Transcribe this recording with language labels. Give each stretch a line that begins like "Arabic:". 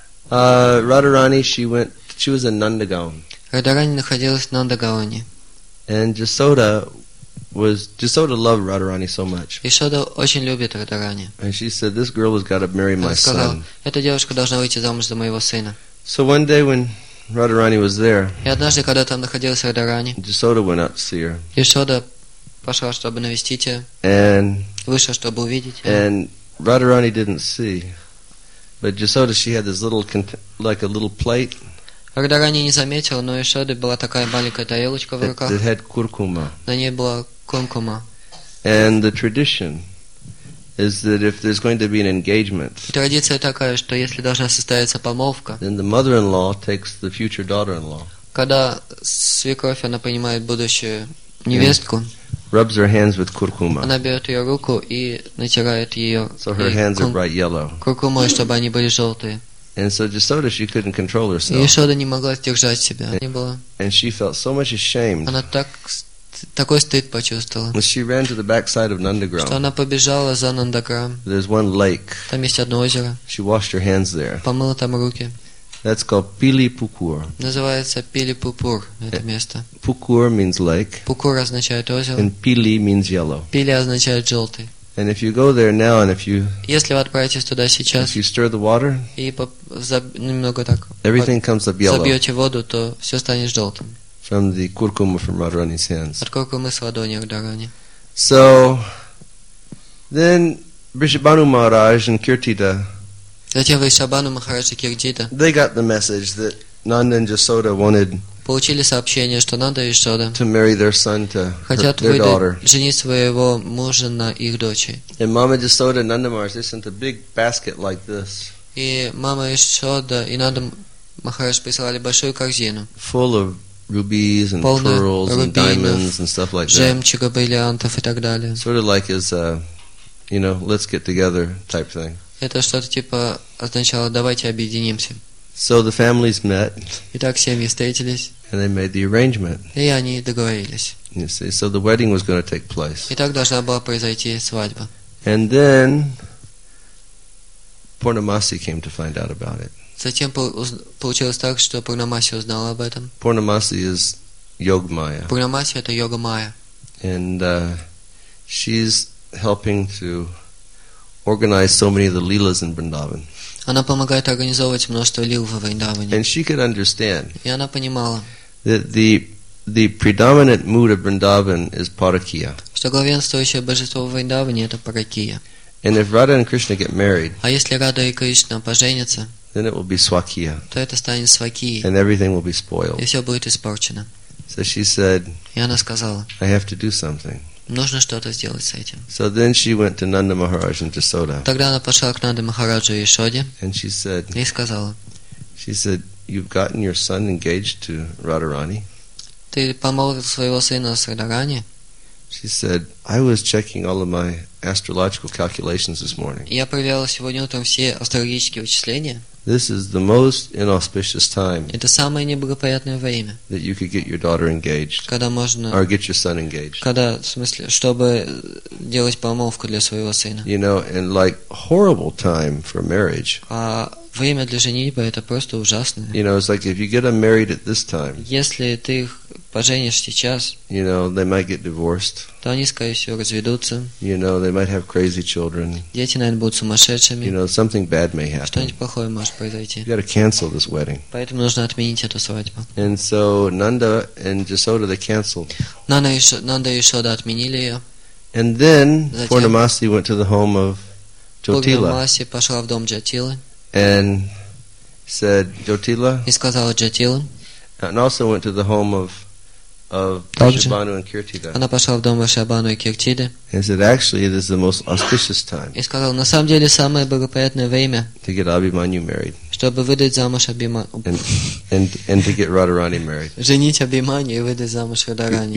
English: Radharani, she was in Nandagaon.
Russian: Radharani находилась в Нандагауне.
English: And Jasoda loved Radharani so much.
Russian: Jasoda очень любит Радхарани.
English: And she said, "This girl has got to marry my son."
Russian: Сказала, эта девушка должна выйти замуж за моего сына.
English: So one day when Radharani was there,
Russian: и однажды когда там находилась Радхарани,
English: Jasoda went out to see her.
Russian: Jasoda пошла, чтобы навестить ее.
English: And
Russian: вышла, чтобы увидеть.
English: And Radharani didn't see, but Jasoda, she had this little like a little plate.
Russian: Радхарани не заметила, но Jasoda была такая маленькая тарелочка в руках.
English: It had куркума.
Russian: На ней была куркума.
English: And the tradition is that if there's going to be an engagement,
Russian: традиция такая, что если должна состояться помолвка,
English: then the mother-in-law takes the future daughter-in-law.
Russian: Когда свекровь, она принимает будущую невестку,
English: rubs her hands with куркума.
Russian: Она берет ее руку и натирает ее.
English: So her hands are bright yellow.
Russian: Куркумой, чтобы они были желтые.
English: And so Jasoda, she couldn't control herself.
Russian: Jasoda не могла сдержать себя. Не было.
English: And she felt so much ashamed.
Russian: Она такой стыд почувствовала.
English: When she ran to the backside of Nandagram.
Russian: Что она побежала за Нандаграм.
English: There's one lake.
Russian: Там есть одно озеро.
English: She washed her hands there.
Russian: Помыла там руки.
English: That's called Pilipukur.
Russian: Называется Пилипупур это место.
English: Pukur means lake.
Russian: Pukur означает озеро.
English: And Pili means yellow.
Russian: Pili означает желтый.
English: And if you go there now, and if you,
Russian: если вы отправитесь туда сейчас,
English: if you stir the water,
Russian: и немного так,
English: everything comes up yellow.
Russian: Забьете воду, то все станет желтым.
English: From the kurkuma from Radharani's hands.
Russian: От куркумы с ладони Радхарани.
English: So, then Vrishabhanu Maharaj and Kirtita.
Russian: Затем Вришабану Махарадж и Киртита.
English: They got the message that Nanda and Jasoda wanted.
Russian: Получили сообщение, что Нанда и Джасода
English: to marry their son to
Russian: хотят
English: her, their daughter.
Russian: Женить своего мужа на их дочери.
English: And Mama Jasoda and Nanda Maharaj, they sent a big basket like this.
Russian: И мама Джасода и Нанда Махарадж прислали большую корзину.
English: Full of rubies and
Russian: полную
English: pearls
Russian: рубинов,
English: and diamonds and stuff like that.
Russian: Жемчуга, бриллиантов и так далее.
English: Sort of like as a, you know, let's get together type thing.
Russian: Это что-то типа означало давайте объединимся.
English: So the families met.
Russian: Итак, семьи встретились.
English: And they made the arrangement.
Russian: И они договорились.
English: You see, so the wedding was going to take place.
Russian: Итак, должна была произойти свадьба.
English: And then Purnamasi came to find out about it.
Russian: Затем получилось так, что Пурнамаси узнала об этом.
English: Пурнамаси is Йогмая.
Russian: Пурнамаси это Йогмая.
English: And she's helping to organize so many of the leelas in Vrindavan.
Russian: Она помогает организовывать множество лил во Вриндаване.
English: And she could understand.
Russian: И она понимала.
English: That the predominant mood of Vrindavan is Parakiya.
Russian: Что главенствующее божество в Вриндаване это Паракия.
English: And if Radha and Krishna get married.
Russian: А если Радха и Кришна поженятся?
English: Then it will be swakia.
Russian: То это станет свакия.
English: And everything will be spoiled.
Russian: И все будет испорчено.
English: So she said.
Russian: И она сказала.
English: I have to do something.
Russian: Нужно что-то сделать с этим.
English: So then she went to Nanda Maharaj and Jasoda.
Russian: Тогда она пошла к Нанде Махараджу и Ишоде.
English: And she said.
Russian: И сказала.
English: She said, "You've gotten your son engaged to Radharani."
Russian: Ты помолвил своего сына с Радхарани?
English: She said, "I was checking all of my astrological calculations this morning."
Russian: Я проверяла сегодня утром все астрологические вычисления.
English: This is the most inauspicious time.
Russian: Это самое неблагоприятное время.
English: That you could get your daughter engaged.
Russian: Когда можно.
English: Or get your son engaged.
Russian: Когда, в смысле, чтобы делать помолвку для своего сына.
English: You know, and like horrible time for marriage.
Russian: А время для женитьбы это просто ужасное.
English: You know, it's like if you get unmarried at this time.
Russian: Если ты поженишь сейчас.
English: You know, they might get divorced.
Russian: То они, скорее всего, разведутся.
English: You know, they might have crazy children.
Russian: Дети, наверное, будут сумасшедшими.
English: You know, something bad may happen.
Russian: Что-нибудь плохое может произойти.
English: You gotta cancel this wedding.
Russian: Поэтому нужно отменить эту свадьбу.
English: And so Nanda and Jasoda they canceled.
Russian: Нанда и Ишода отменили ее.
English: And then Purnamasi went to the home of Jyotila.
Russian: Пурнамаси пошла в дом Джатилы.
English: And said Jyotila.
Russian: И сказала Джатила.
English: And also went to the home of Vrishabhanu and Kirtita.
Russian: Она пошла в дом Вришабану и Киртиды.
English: And said, actually, this is the most auspicious time.
Russian: И сказала, на самом деле самое благоприятное время.
English: To get Abhimanyu married.
Russian: Чтобы выдать замуж Абхиманю.
English: And to get Radharani married.
Russian: Женить Абхиманю и выдать замуж Радхарани.